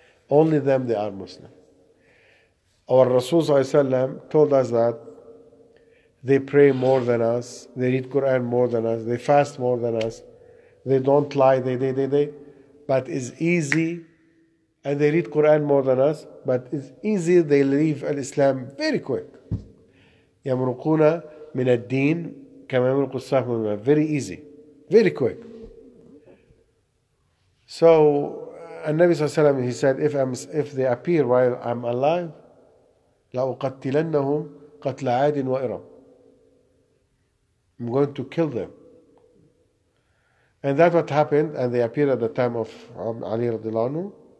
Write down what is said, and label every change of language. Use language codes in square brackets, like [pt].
[en] Only them, they are Muslim. Our Rasul told us that they pray more than us, they read Quran more than us, they fast more than us, they don't lie, they, but it's easy. And they read Quran more than us, but it's easy, they leave Islam very quick. [ar] يَمْرُقُونَ مِنَ الدِّينِ كَمَا يَمْرُقُ السَّحْمُ مِنَ Very easy, very quick. [en] So, النبي صلى الله عليه وسلم, he said, if they appear while I'm alive, لَأُقَتِّلَنَّهُمْ قَتْلَ عَادٍ وَإِرَمٍ I'm going to kill them. And that's what happened, and they appeared at the time of Ali radiallahu anhu.